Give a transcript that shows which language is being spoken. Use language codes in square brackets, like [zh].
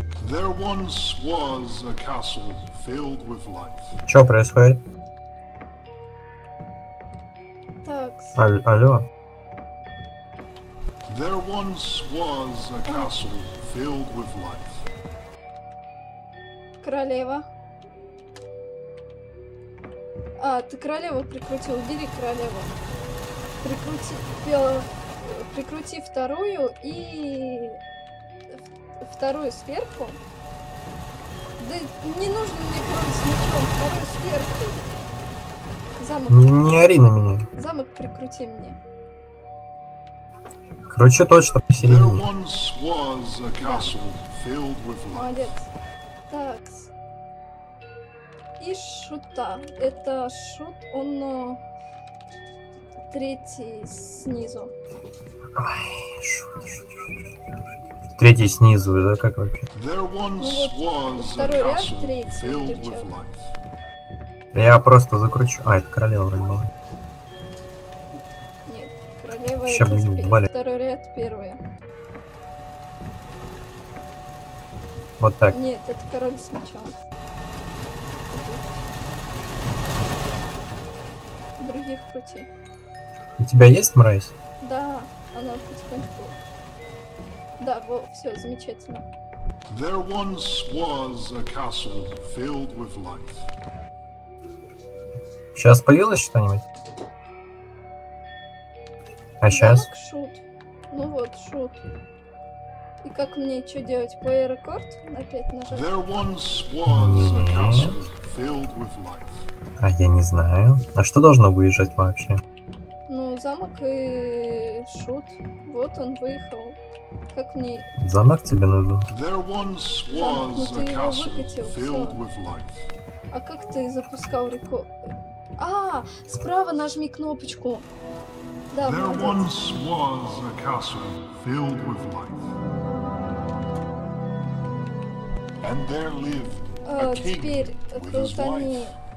[en] There once was a castle filled with life. [ru] Чё происходит? Такс. Алло? [en] There once was a castle filled with life. [ru] Королева. А, ты королеву прикрутил. Убери королеву. Прикрути вторую и... Вторую сверху. Да не нужно мне крутить мечом. Не ори на меня. Замок прикрути мне. Короче, точно посередине. [en] There once was a castle filled with life. [ru] Молодец. Так. И шута. Это шут, он третий снизу. Ай, шут. Третий снизу, да, как вообще? [en] There once was a castle filled with life. [ru] Я просто закручу. А, это королева вроде была. Сейчас будем валить. Второй ряд, первый. Вот так. Нет, это король с мечом. Других крути. У тебя есть мразь? Да, она потихоньку. Да, вот, все, замечательно. [en] There once was a castle filled with light. [ru] Сейчас появилось что-нибудь? А сейчас? Так, шут. Ну вот, шут. И как мне что делать? [en] Play record? [ru] Опять нажать? А я не знаю. А что должно выезжать вообще? Ну, замок и шут. Вот он выехал. Как мне? Замок тебе нужен? [en] There once was a castle filled with life. [ru] А как ты запускал рекорд? А, справа нажми кнопочку. [en] There once was a castle filled with life. And there lived a king with his wife.